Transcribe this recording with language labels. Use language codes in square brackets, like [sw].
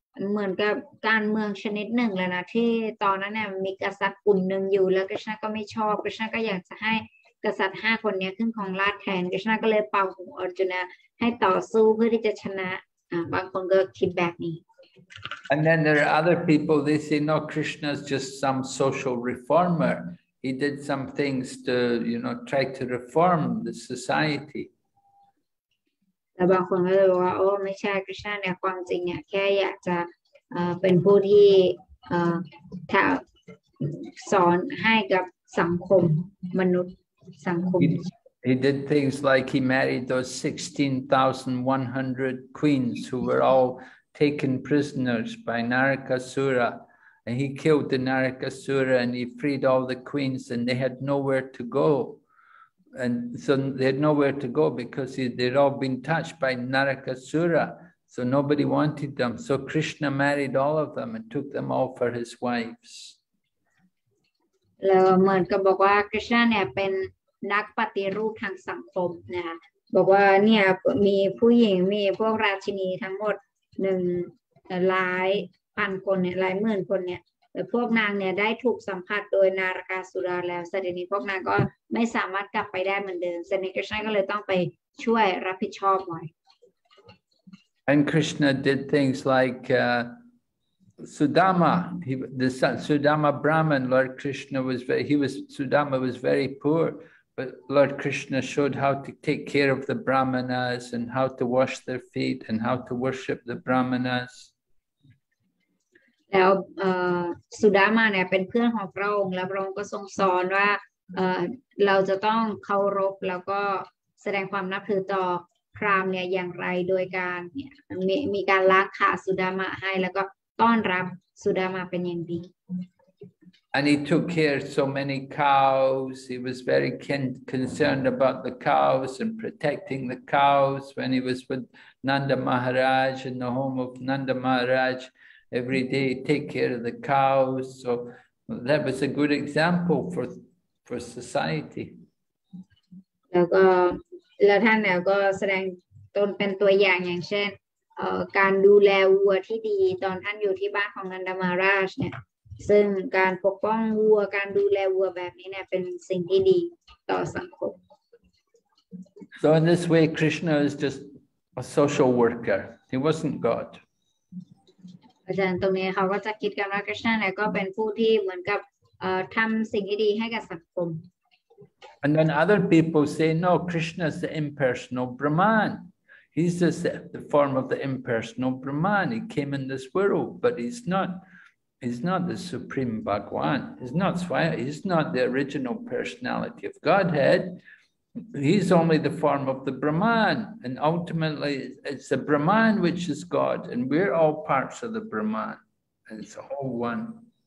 [th] เหมือนกับการเมืองชนิดหนึ่งแล้วนะที่ตอนนั้นเนี่ยมีกษัตริย์กลุ่มหนึ่งอยู่แล้วกฤษณะก็ไม่ชอบกฤษณะก็อยากจะให้กษัตริย์5คนนี้ขึ้นของราชแทนกฤษณะก็เลยเป่าหูอัร์จุนะให้ต่อสู้เพื่อที่จะชนะบางคนก็คิดแบบนี้ [en] And then there are other people they say no Krishna's just some social reformer he did some things to you know try to reform the society [th] แล้วบางคนก็เลยบอกว่าโอ้ไม่ใช่คริสต์เนี่ยความจริงเนี่ยแค่อยากจะเป็นผู้ที่ถ้าสอนให้กับสังคมมนุษย์สังคม [en] He did things like he married those 16,100 queens who were all taken prisoners by Narakasura and he killed the Narakasura and he freed all the queens and they had nowhere to goAnd so they had nowhere to go because they'd all been touched by Narakasura. So nobody wanted them. So Krishna married all of them and took them all for his wives. [th] แล้วเหมือนกับบอกว่าคริสต์เนี่ยเป็นนักปฏิรูปทางสังคมนะคะบอกว่าเนี่ยมีผู้หญิงมีพวกราชินีทั้งหมด1หลายพันคนเนี่ยหลายหมื่นคนเนี่ยแต่พวกนางเนี่ยได้ถูกสัมผัสโดยนารกาสุราแล้วเสด็จนี้พวกนางก็ไม่สามารถกลับไปได้เหมือนเดิมเสด็จคริชนาก็เลยต้องไปช่วยรับผิดชอบไว้ [en] And Krishna did things like Sudama he the Sudama Brahman Lord Krishna was very, he was Sudama was very poor but Lord Krishna showed how to take care of the Brahmanas and how to wash their feet and how to worship the Brahmanas [th] แล้วสุดามาเนี่ยเป็นเพื่อนของพระองค์แล้วพระองค์ก็ทรงสอนว่าเราจะต้องเคารพแล้วก็แสดงความนับถือต่อพราหมณ์เนี่ยอย่างไรโดยการเนี่ยมีการรักษาสุดามาให้แล้วก็ต้อนรับสุดามาเป็นอย่างดี [en] And he took care of so many cows he was very concerned about the cows and protecting the cows when he was with Nanda Maharaj in the home of Nanda MaharajEvery day, take care of the cows. So that was a good example for society. And he showed himself as an example, like the care of the cows when he was at the house of Nanda Maharaj. And the care of the cows, the care of the cows, like this, is something good for society. So in this way, Krishna is just a social worker. He wasn't God. [th] อาจารย์ตรงนี้เขาก็จะคิดกันว่าคริสต์เนี่ยก็เป็นผู้ที่เหมือนกับทำสิ่งดีให้กับสังคม [en] And then other people say no Krishna is the impersonal Brahman he's just the form of the impersonal Brahman he came in this world but he's not the supreme Bhagwan he's not the original personality of Godhead he's only the form of the Brahman and ultimately it's the Brahman which is God and we're all parts of the Brahman and it's a whole one